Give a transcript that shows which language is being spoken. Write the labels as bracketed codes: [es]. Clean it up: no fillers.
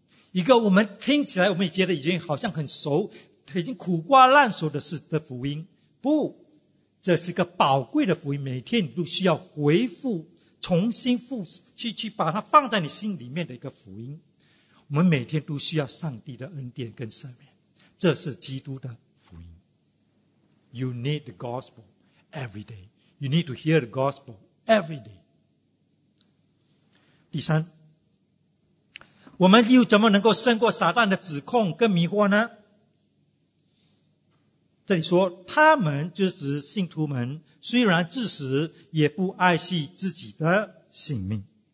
[zh] 一个我们听起来我们也觉得已经好像很熟，已经苦瓜烂熟的事的福音，不，这是个宝贵的福音，每天你都需要回复，重新复去把它放在你心里面的一个福音。我们每天都需要上帝的恩典跟赦免，这是基督的福音。 [en] You need the gospel every day. You need to hear the gospel every day. [zh] 第三，我们又怎么能够胜过撒旦的指控跟迷惑呢？这里说，他们就是指信徒们，虽然自死也不爱惜自己的性命。